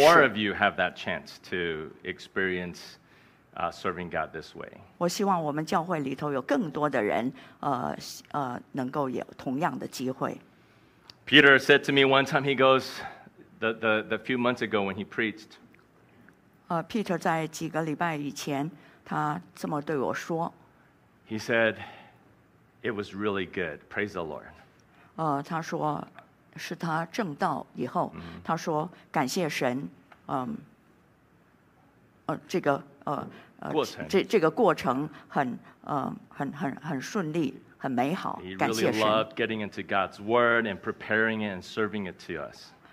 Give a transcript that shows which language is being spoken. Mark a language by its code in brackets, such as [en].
[en] I hope more of you have that chance to experience serving God this way. [zh] 我希望我们教会里头有更多的人能够有同样的机会。 [en] Peter said to me one time, he goes, the few months ago when he preached, [zh] Peter 在几个礼拜以前, 他这么对我说, [en] he said, it was really good. Praise the Lord. [zh] 他说, 是他正道以后, 他说, 感谢神, 这个过程很顺利。很美好, [en] he really [zh] 感谢神, [en] loved getting into God's word and preparing it and serving it to us.